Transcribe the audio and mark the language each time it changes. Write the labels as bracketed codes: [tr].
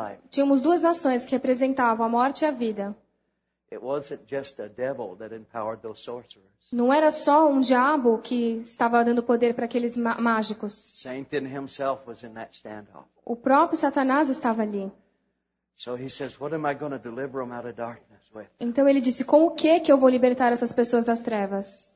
[pt] Tínhamos duas nações que representavam a morte e a vida. [en] It wasn't just a devil that empowered those sorcerers. [pt] Não era só um diabo que estava dando poder para aqueles mágicos. [en] Satan himself was in that standoff. [pt] O próprio Satanás estava ali. [en] So he says, what am I going to deliver them out of darkness with? [pt] Então ele disse, com o que que eu vou libertar essas pessoas das trevas?